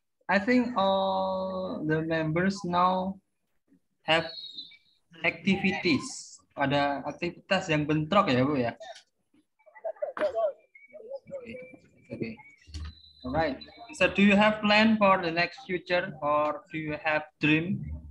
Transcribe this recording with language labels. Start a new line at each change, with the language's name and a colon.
English: I think all the members now have activities.
Indonesian: Ada aktivitas yang bentrok ya, Bu, ya?
English: Okay. All right. So do you have plan for the next future or do you have dream?